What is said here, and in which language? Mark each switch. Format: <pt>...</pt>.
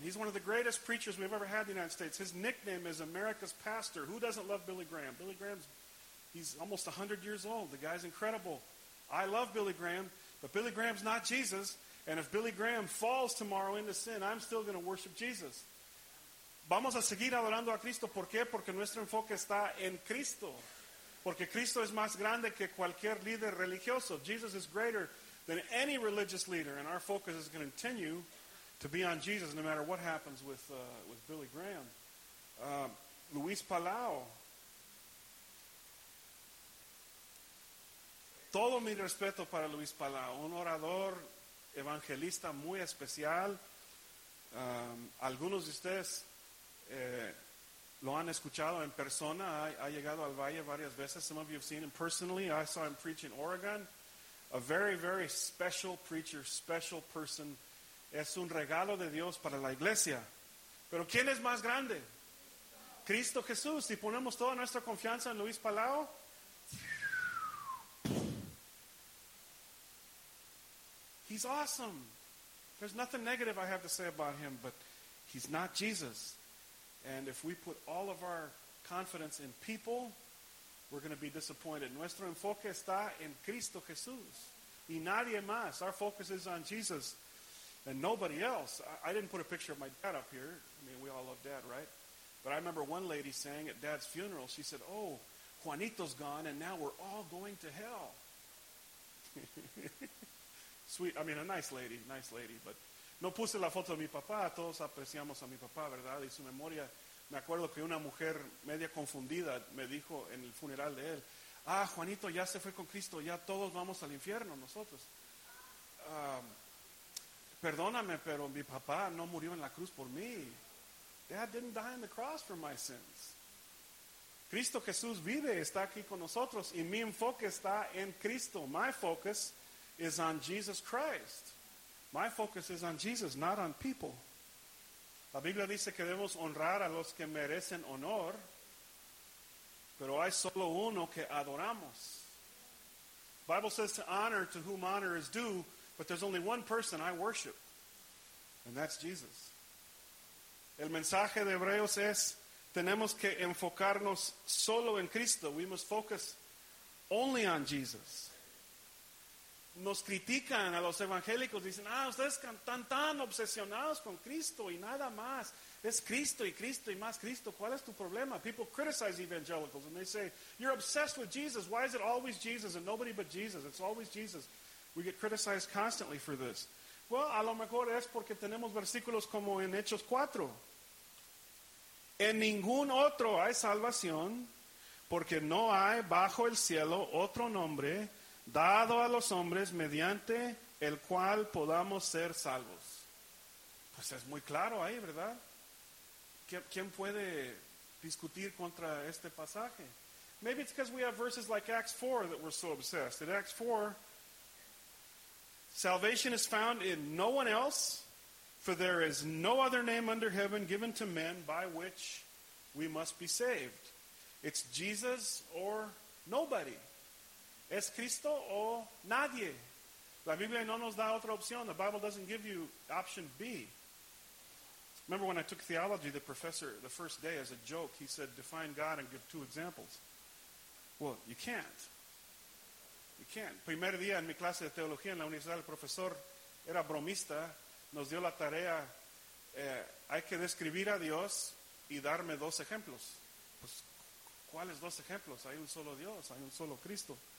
<en>He's one of the greatest preachers we've ever had in the United States. His nickname is America's Pastor. Who doesn't love Billy Graham? Billy Graham's, he's almost 100 years old. The guy's incredible. I love Billy Graham, but Billy Graham's not Jesus. And if Billy Graham falls tomorrow into sin, I'm still going to worship Jesus.</en> <es>Vamos a seguir adorando a Cristo. ¿Por qué? Porque nuestro enfoque está en Cristo. Porque Cristo es más grande que cualquier líder religioso.</es> <en>Jesus is greater than any religious leader. And our focus is going to continue to be on Jesus, no matter what happens with Billy Graham. Luis Palau.</en> <es>Todo mi respeto para Luis Palau. Un orador evangelista muy especial. Algunos de ustedes lo han escuchado en persona. Ha llegado al Valle varias veces.</es> <en>Some of you have seen him personally. I saw him preach in Oregon. A very, very special preacher, special person.</en> <es>Es un regalo de Dios para la iglesia. Pero ¿quién es más grande? Cristo Jesús. Si ponemos toda nuestra confianza en Luis Palau.</es> <en>He's awesome. There's nothing negative I have to say about him, but he's not Jesus. And if we put all of our confidence in people, we're going to be disappointed.</en> <es>Nuestro enfoque está en Cristo Jesús y nadie más.</es> <en>Our focus is on Jesus and nobody else. I didn't put a picture of my dad up here. I mean, we all love Dad, right? But I remember one lady saying at Dad's funeral, she said, oh, Juanito's gone and now we're all going to hell. Sweet, I mean, a nice lady, but</en> <es>no puse la foto de mi papá, todos apreciamos a mi papá, ¿verdad? Y su memoria, me acuerdo que una mujer media confundida me dijo en el funeral de él, Juanito ya se fue con Cristo, ya todos vamos al infierno nosotros. Perdóname, pero mi papá no murió en la cruz por mí.</es> <en>Dad didn't die on the cross for my sins.</en> <es>Cristo Jesús vive, está aquí con nosotros, y mi enfoque está en Cristo,</es> <en>my focus is on Jesus Christ. My focus is on Jesus, not on people.</en> <es>La Biblia dice que debemos honrar a los que merecen honor, pero hay solo uno que adoramos.</es> <en>Bible says to honor to whom honor is due, but there's only one person I worship, and that's Jesus.</en> <es>El mensaje de Hebreos es, tenemos que enfocarnos solo en Cristo.</es> <en>We must focus only on Jesus.</en> <es>Nos critican a los evangélicos, dicen, ustedes están tan obsesionados con Cristo y nada más. Es Cristo y Cristo y más Cristo. ¿Cuál es tu problema?</es> <en>People criticize evangelicals and they say, you're obsessed with Jesus. Why is it always Jesus and nobody but Jesus? It's always Jesus. We get criticized constantly for this.</en> <es>Well, a lo mejor es porque tenemos versículos como en Hechos 4. En ningún otro hay salvación, porque no hay bajo el cielo otro nombre dado a los hombres mediante el cual podamos ser salvos. Pues es muy claro ahí, ¿verdad? ¿Quién puede discutir contra este pasaje?</es> <en>Maybe it's because we have verses like Acts 4 that we're so obsessed. In Acts 4, salvation is found in no one else, for there is no other name under heaven given to men by which we must be saved. It's Jesus or nobody.</en> <es>¿Es Cristo o nadie? La Biblia no nos da otra opción.</es> <en>The Bible doesn't give you option B. Remember when I took theology, the professor, the first day, as a joke, he said, define God and give two examples. Well, you can't. You can't.</en> <es>Primer día en mi clase de teología en la universidad, el profesor era bromista, nos dio la tarea, hay que describir a Dios y darme dos ejemplos. Pues, ¿cuáles dos ejemplos? Hay un solo Dios, hay un solo Cristo.</es>